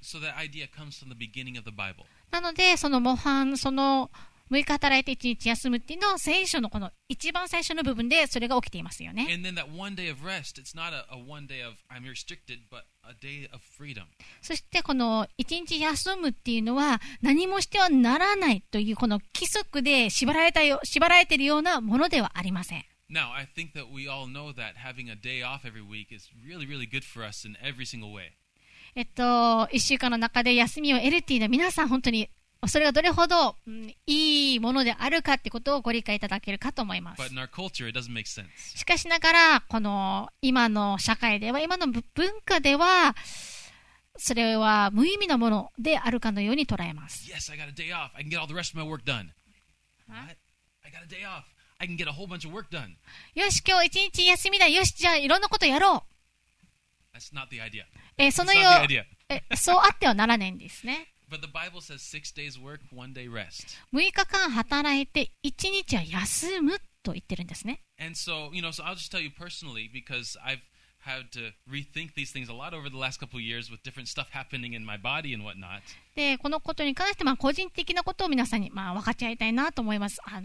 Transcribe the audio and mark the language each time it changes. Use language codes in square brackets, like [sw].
[en] So that idea comes from the beginning of the Bible. [ja] なので、その模範、その6日働いて1日休むっていうのは聖書のこの一番最初の部分でそれが起きていますよね。 [en] And then that one day of rest, it's not a one day of I'm restricted, but a day of freedom. [ja] そしてこの1日休むっていうのは何もしてはならないというこの規則で縛られているようなものではありません。 [en] Now, I think that we all know that having a day off every week is really, really good for us in every single way. [ja] 1週間の中で休みを得るっていうのは皆さん本当にそれがどれほど、いいものであるかってことをご理解いただけるかと思います。 [en] But in our culture, it doesn't make sense. [ja] しかしながら、この今の社会では、今の文化では、それは無意味なものであるかのように捉えます。 [en] Yes, I got a day off. I can get all the rest of my work done. What? I got a day off. I can get a whole bunch of work done. [ja] よし、今日一日休みだ。よし、じゃあいろんなことやろう。 [en] That's not the idea. [ja] そのよう、そうあってはならないんですね。 [en] But the Bible says six days work, one day rest. [ja] 6日間働いて1日は休むと言ってるんですね。 [en] And so, you know, so I'll just tell you personally, because I've had to rethink these things a lot over the last couple of years with different stuff happening in my body and whatnot. [ja] で、このことに関して、個人的なことを皆さんに、分かち合いたいなと思います。